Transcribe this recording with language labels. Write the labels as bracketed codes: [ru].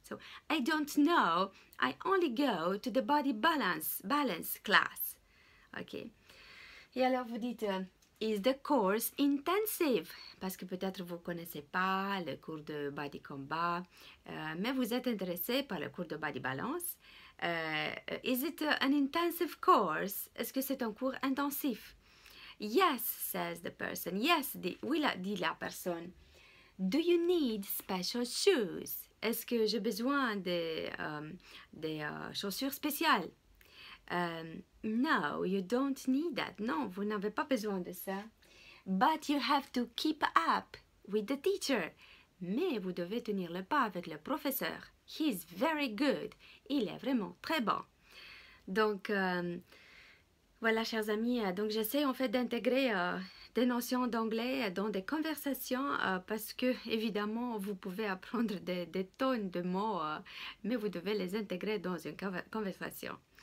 [en] So, « I don't know, I only go to the body balance class. » Ok. [fr] Et alors vous dites « [en] Is the course intensive ?» [fr] Parce que peut-être vous ne connaissez pas le cours de body combat, mais vous êtes intéressé par le cours de body balance. [en] Is it an intensive course? [fr] Est-ce que c'est un cours intensif? [en] Yes, says the person. [fr] Yes, dit la personne. [en] Do you need special shoes? [fr] Est-ce que j'ai besoin des chaussures spéciales? [en] No, you don't need that. [fr] Non, vous n'avez pas besoin de ça. [en] But you have to keep up with the teacher. [fr] Mais vous devez tenir le pas avec le professeur. [en] He's very good. [fr] Il est vraiment très bon. Donc, voilà, chers amis. Donc, j'essaie en fait d'intégrer des notions d'anglais dans des conversations parce que, évidemment, vous pouvez apprendre des tonnes de mots, mais vous devez les intégrer dans une conversation.